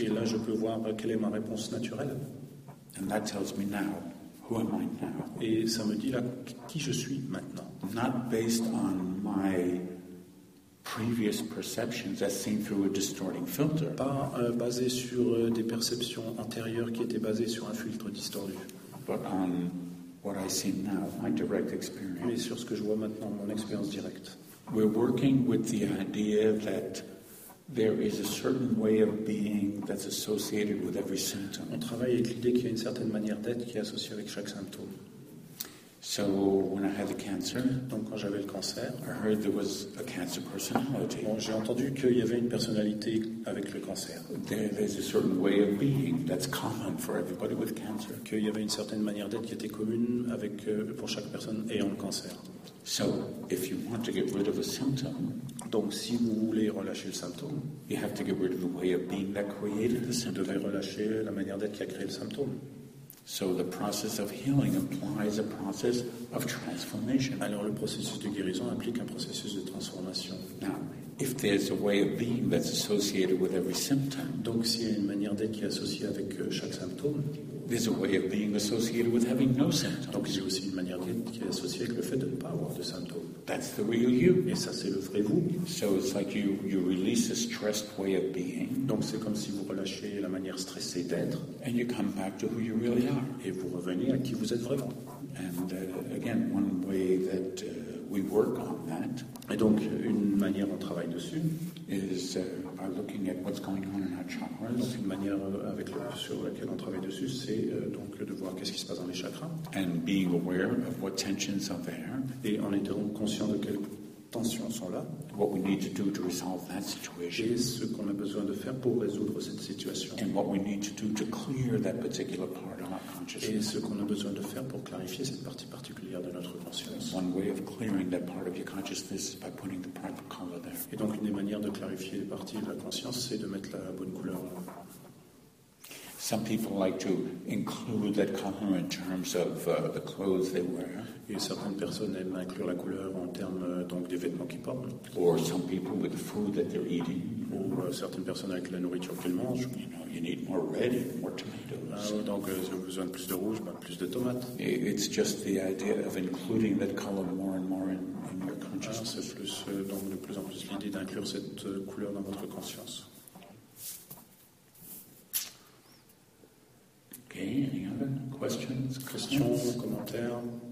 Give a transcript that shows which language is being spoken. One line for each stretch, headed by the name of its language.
French: Et là, je peux voir quelle est ma réponse naturelle.
English: And that tells me now, who am I now?
French: Et ça me dit là qui je suis maintenant.
English: Not based on my previous perceptions as seen through a distorting filter.
French: Pas basé sur des perceptions antérieures qui étaient basées sur un filtre distordu.
English: But on what I see now, my direct experience.
French: Mais sur ce que je vois maintenant, mon expérience directe.
English: We're working with the idea that there is a certain way of being that's associated with every symptom.
French: On travaille avec l'idée qu'il y a une certaine manière d'être qui est associée avec chaque symptôme.
English: So when I had the cancer,
French: donc quand j'avais le cancer,
English: I heard there was a cancer personality.
French: Bon, j'ai entendu qu'il y avait une personnalité avec le cancer.
English: There's a certain way of being that's common for everybody with cancer.
French: Qu'il y avait une certaine manière d'être qui était commune avec pour chaque personne ayant le cancer.
English: So, if you want to get rid of a symptom,
French: donc si vous voulez relâcher le symptôme,
English: you have to get rid of the way of being that created the symptom.
French: Vous devez relâcher la manière d'être qui a créé le symptôme.
English: So the process of healing implies a process of transformation.
French: Alors le processus de guérison implique un processus de transformation.
English: Now, if there's a way of being that's associated with every symptom,
French: donc s'il y a une manière d'être qui est associée avec chaque symptôme.
English: There's a way of being associated with having no symptoms.
French: Donc, il y a aussi une manière qui est associée avec le fait de ne pas avoir de symptômes.
English: That's the real you.
French: Et ça, c'est le vrai vous.
English: So it's like you release a stressed way of being.
French: Donc c'est comme si vous relâchez la manière stressée d'être.
English: And you come back to who you really are.
French: Et vous revenez à qui vous êtes vraiment.
English: And again, one way that we work on that.
French: Et donc une manière on travaille dessus.
English: Is by looking at what's going on in our chakras.
French: Donc une manière avec sur laquelle on travaille dessus, c'est donc de voir qu'est-ce qui se passe dans les chakras.
English: And being aware of what tensions are there.
French: Et en étant conscient de quelles tensions sont là.
English: What we need to do to resolve that situation.
French: Et ce qu'on a besoin de faire pour résoudre cette situation.
English: And what we need to do to clear that particular part of our consciousness.
French: Et ce qu'on a besoin de faire pour clarifier cette partie particulière de notre conscience.
English: One way of clearing that part of your consciousness is by putting the proper color there.
French: Et donc une des manières de clarifier les parties de la conscience, c'est de mettre la bonne couleur là.
English: Some people like to include that color in terms of the clothes they wear.
French: Et certaines personnes aiment inclure la couleur en termes donc des vêtements qu'ils portent.
English: Or some people with the food that they're eating.
French: Ou certaines personnes avec la nourriture qu'elles mangent.
English: You know, you need more red, more tomatoes.
French: Donc j'ai besoin de plus de rouge, bah, plus de tomates.
English: It's just the idea of including that color more and more in your consciousness.
French: C'est plus donc de plus en plus l'idée d'inclure cette couleur dans votre conscience.
English: Okay, any other questions?
French: Questions, commentaires?